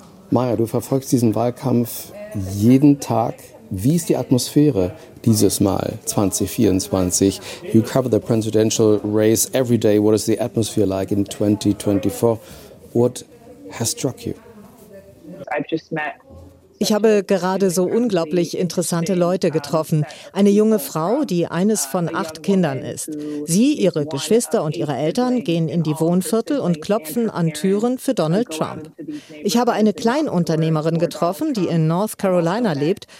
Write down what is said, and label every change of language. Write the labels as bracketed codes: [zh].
[de] Maya, du verfolgst diesen Wahlkampf jeden Tag. Wie ist die Atmosphäre dieses Mal 2024? [en] You cover the presidential race every day. What is the atmosphere like in 2024? What has struck you? I've just met [de] Ich habe gerade so unglaublich interessante Leute getroffen. Eine junge Frau, die eines von 8 Kindern ist. Sie, ihre Geschwister und ihre Eltern gehen in die Wohnviertel und klopfen an Türen für Donald Trump. Ich habe eine Kleinunternehmerin getroffen, die in North Carolina lebt.